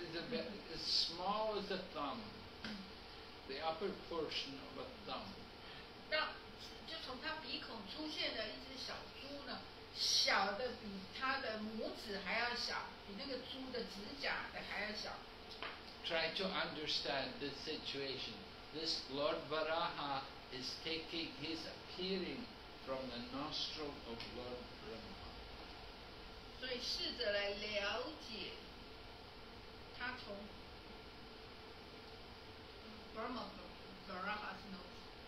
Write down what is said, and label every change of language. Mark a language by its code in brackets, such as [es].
[en] Yeah, it's as small as a thumb. The upper portion of a thumb. [zh] 那就从它鼻孔出现的一只小猪呢，小的比它的拇指还要小，比那个猪的指甲的还要小。 [en] Try to understand this situation. This Lord Varaha is taking his appearing from the nostril of Lord Brahma. So, [zh] 试着来了解他从 [en] Varaha's nose.